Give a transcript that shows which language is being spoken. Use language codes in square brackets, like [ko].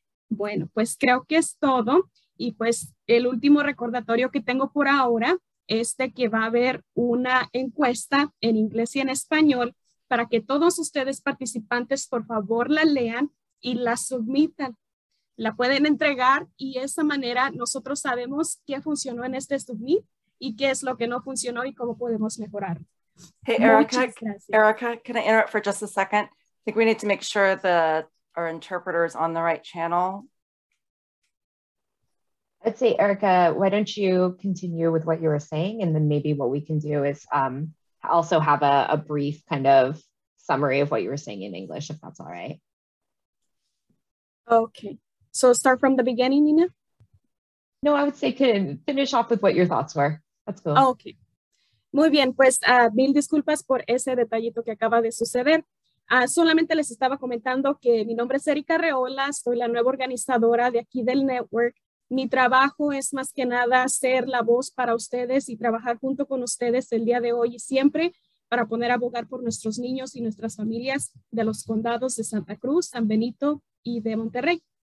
[es] Bueno, pues creo que es todo y pues el último recordatorio que tengo por ahora es de que va a haber una encuesta en inglés y en español para que todos ustedes participantes por favor la lean y la submitan. La pueden entregar y de esa manera nosotros sabemos qué funcionó en este submit y qué es lo que no funcionó y cómo podemos mejorar. [en] Hey, Erica, can I interrupt for just a second? I think we need to make sure that our interpreter is on the right channel. Let's say, Erica, why don't you continue with what you were saying? And then maybe what we can do is also have a brief kind of summary of what you were saying in English, if that's all right. Okay. So start from the beginning, Nina? No, I would say finish off with what your thoughts were. That's cool. Okay. [es] Muy bien, pues mil disculpas por ese detallito que acaba de suceder. Solamente les estaba comentando que mi nombre es Erica Reola, soy la nueva organizadora de aquí del Network. Mi trabajo es más que nada ser la voz para ustedes y trabajar junto con ustedes el día de hoy y siempre para poder abogar por nuestros niños y nuestras familias de los condados de Santa Cruz, San Benito y de Monterrey.